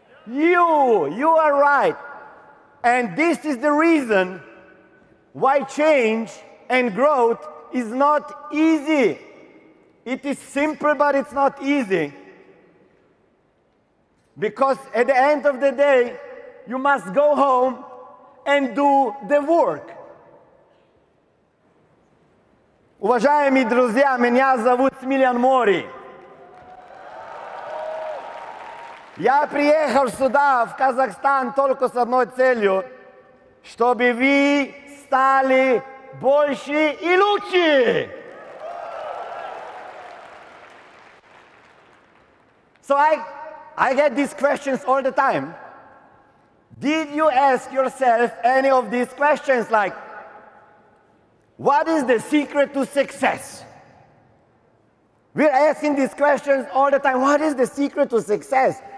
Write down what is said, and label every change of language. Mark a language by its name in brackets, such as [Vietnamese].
[English] You are right. And this is the reason why change and growth is not easy. It is simple, but it's not easy. Because at the end of the day, you must go home and do the work. [Russian] Уважаемые друзья, меня зовут Смилиан Мори. Я приехал сюда, в Казахстан, только с одной целью, чтобы вы стали больше и лучше. [English] So I get these questions all the time. Did you ask yourself any of these questions, like, what is the secret to success? We're asking these questions all the time. What is the secret to success?